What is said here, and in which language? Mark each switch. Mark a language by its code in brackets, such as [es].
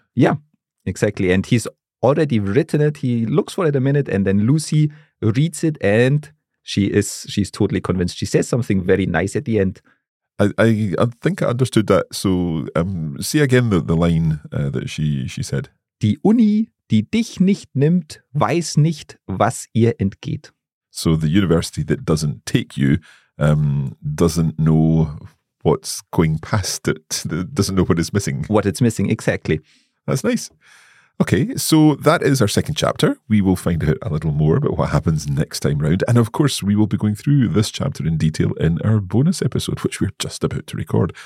[en] Yeah, exactly. And he's already written it. He looks for it a minute and then Lucy reads it and she's totally convinced. She says something very nice at the end. I think I understood that. So see again the line that she said. [de] Die Uni, die dich nicht nimmt, weiß nicht, was ihr entgeht. [en] So the university that doesn't take you doesn't know what's going past it, doesn't know what it's missing. What it's missing, exactly. That's nice. Okay, so that is our second chapter. We will find out a little more about what happens next time round. And of course, we will be going through this chapter in detail in our bonus episode, which we're just about to record.